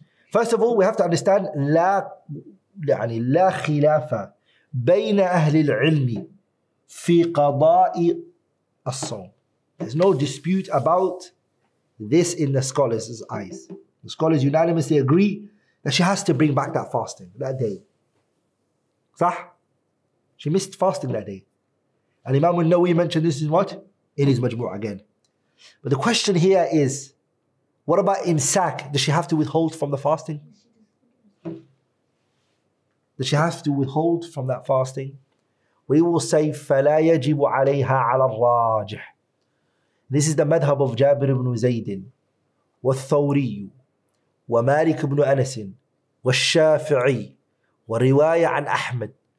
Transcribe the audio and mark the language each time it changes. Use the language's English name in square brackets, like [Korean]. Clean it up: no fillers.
[English] First of all, we have to understand [Arabic] لا يعني لا خلاف بين أهل العلم في قضاء الصوم. [English] There's no dispute about this in the scholars' eyes. The scholars unanimously agree that she has to bring back that fasting that day. [Arabic] صح? [English] She missed fasting that day. And Imam al-Nawawi mentioned this in what? In his Majmu' again. But the question here is, what about imsak? Does she have to withhold from the fasting? Does she have to withhold from that fasting? We will say [Arabic] فَلَا يَجِبُ عَلَيْهَا عَلَى الرَّاجِحِ. [English] This is the madhab of Jabir ibn Zayd [Arabic] والثوري ومالك [English] ibn Anas [Arabic] والشافعي ورواية عن أحمد.